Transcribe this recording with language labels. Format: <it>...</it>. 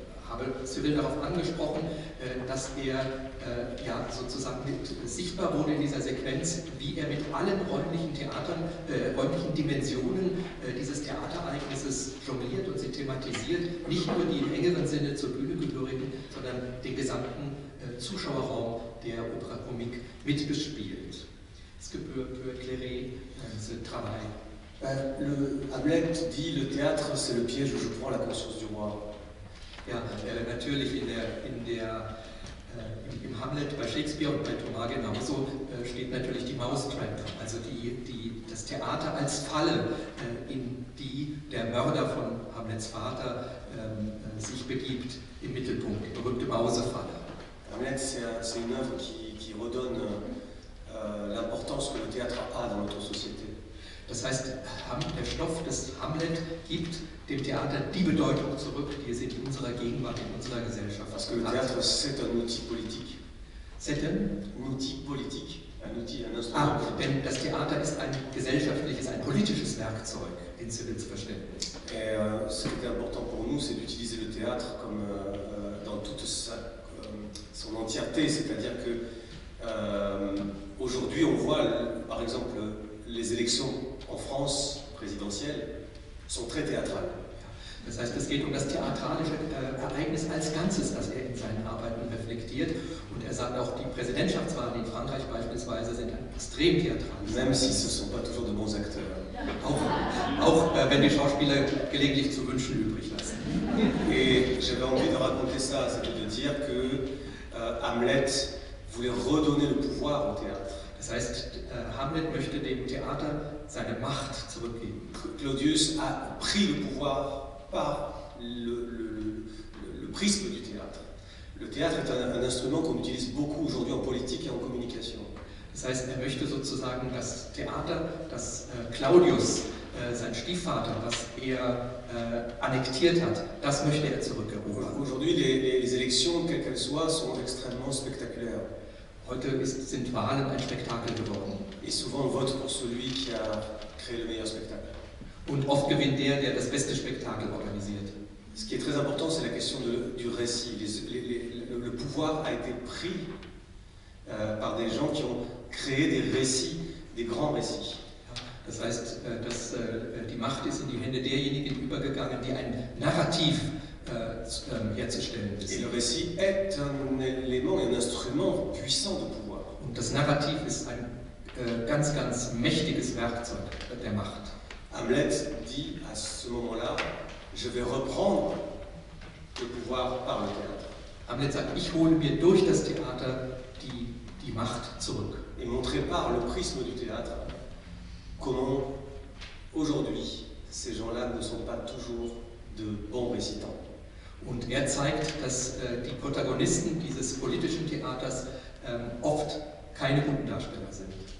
<de>Habe Cyril darauf angesprochen, dass er ja, sozusagen mit sichtbar wurde in dieser Sequenz, wie er mit allen räumlichen Theatern, räumlichen Dimensionen dieses Theaterereignisses jongliert und sie thematisiert, nicht nur die im engeren Sinne zur Bühne gehörigen, sondern den gesamten Zuschauerraum der Opera Comique mitbespielt. Es gibt für Clairet</de> <fr>ce travail. Le Hamlet dit, le théâtre, c'est le piège où je prends la conscience du roi.</fr> <de>Ja, natürlich im Hamlet bei Shakespeare und bei Thomas genauso steht natürlich die Mousetrap, also das Theater als Falle, in die der Mörder von Hamlets Vater sich begibt, im Mittelpunkt, die berühmte Mausefalle.</de> <fr>Hamlet, c'est une œuvre qui redonne l'importance que le théâtre a dans notre société.</fr> <de>Das heißt, der Stoff des Hamlet gibt dem Theater die Bedeutung zurück, die es in unserer Gegenwart, in unserer Gesellschaft hat.</de> <fr>Parce que le théâtre, c'est un outil politique. C'est un outil politique. Un outil, un instrument.</fr> <de>Ah, denn das Theater ist ein gesellschaftliches, ein politisches Werkzeug, in Cyrils Verständnis.</de> <fr>Et ce qui est important pour nous, c'est d'utiliser le théâtre comme dans toute son entièreté. C'est-à-dire que aujourd'hui, on voit, par exemple, les élections en France présidentielles sont très théâtrales.</fr> <de>Das heißt, es geht um das theatralische Ereignis als Ganzes, das er in seinen Arbeiten reflektiert. Und er sagt auch, die Präsidentschaftswahlen in Frankreich beispielsweise sind extrem theatralisch.</de> <fr>Même si ce sont pas toujours de bons acteurs.</fr> <de>Auch wenn die Schauspieler gelegentlich zu wünschen übrig lassen.</de> <fr>Et j'avais envie de raconter ça, c'était de dire que Hamlet voulait redonner le pouvoir au théâtre.</fr> <de>Das heißt, Hamlet möchte dem Theater seine Macht zurückgeben.</de> <fr>Claudius a pris le pouvoir par le prisme du théâtre. Le théâtre est un instrument qu'on utilise beaucoup aujourd'hui en politique et en communication.</fr> <de>Das heißt, er möchte sozusagen das Theater, das Claudius, sein Stiefvater, was er annektiert hat, das möchte er zurückerobern.</de> <fr>Aujourd'hui, les élections, quelles qu'elles soient, sont extrêmement spectaculaires.</fr> <de>Heute sind Wahlen ein Spektakel geworden.</de> <fr>Et souvent, on vote pour celui qui a créé le meilleur spectacle.</fr> <de>Und oft gewinnt der, der das beste Spektakel organisiert.</de> <fr>Ce qui est très important, c'est la question du récit. Le pouvoir a été pris par des gens qui ont créé des récits, des grands récits.</fr> <de>Das heißt, dass die Macht ist in die Hände derjenigen übergegangen, die ein Narrativ herzustellen wissen.</de> <fr>Et le récit est un élément, un instrument puissant de pouvoir.</fr> <de>Und das Narrativ ist ein ganz, ganz mächtiges Werkzeug der Macht.</de> <fr>Hamlet dit à ce moment-là, je vais reprendre le pouvoir par le théâtre.</fr> <de>Hamlet sagt, ich hole mir durch das Theater die Macht zurück.</de> <fr>Et montré par le prisme du théâtre, comment aujourd'hui ces gens-là ne sont pas toujours de bons récitants.</fr> <de>Und er zeigt, dass die Protagonisten dieses politischen Theaters oft keine guten Darsteller sind.</de>